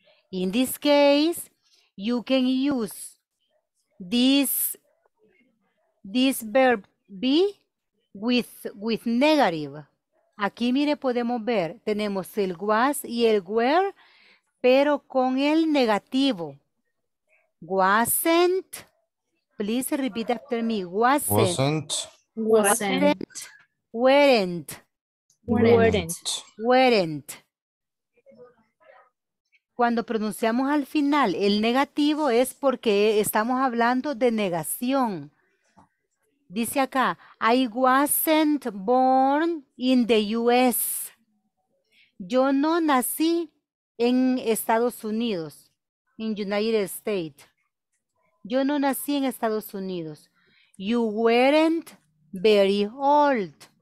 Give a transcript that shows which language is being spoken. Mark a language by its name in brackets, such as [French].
[English] In this case, you can use this verb be with negative. [Spanish] Aquí mire, podemos ver, tenemos el was y el were, pero con el negativo. [English] Wasn't, please repeat after me, wasn't, Wasn't, wasn't, weren't, weren't. weren't, weren't. [Spanish] Cuando pronunciamos al final el negativo es porque estamos hablando de negación. Dice acá, [English] I wasn't born in the US. [Spanish] Yo no nací en Estados Unidos, [English] in United States. [Spanish] Yo no nací en Estados Unidos. [English] You weren't very old.